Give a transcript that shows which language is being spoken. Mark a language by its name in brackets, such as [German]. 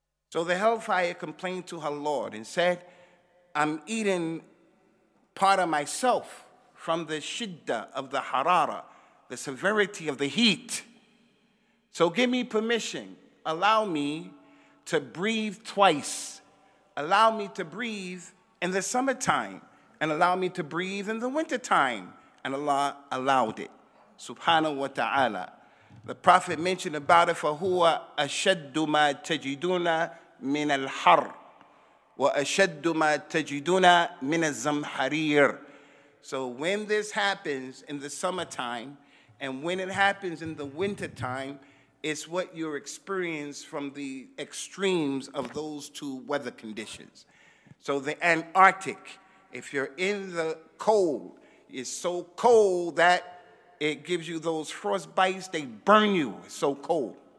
[English] So the hellfire complained to her Lord and said, I'm eating part of myself from the shidda of the harara, the severity of the heat. So give me permission. Allow me to breathe twice. Allow me to breathe in the summertime and allow me to breathe in the wintertime. And Allah allowed it. Subhanahu wa ta'ala. The Prophet mentioned about it, [Arabic] فَهُوَ أَشَدُّ مَا تَجِدُونَ مِنَ الْحَرِّ وَأَشَدُّ مَا تَجِدُونَ مِنَ الزَّمْحَرِيرِ. [English] So when this happens in the summertime and when it happens in the wintertime, it's what you experience from the extremes of those two weather conditions. So the Antarctic, if you're in the cold, it's so cold that it gives you those frostbites, they burn you, it's so cold.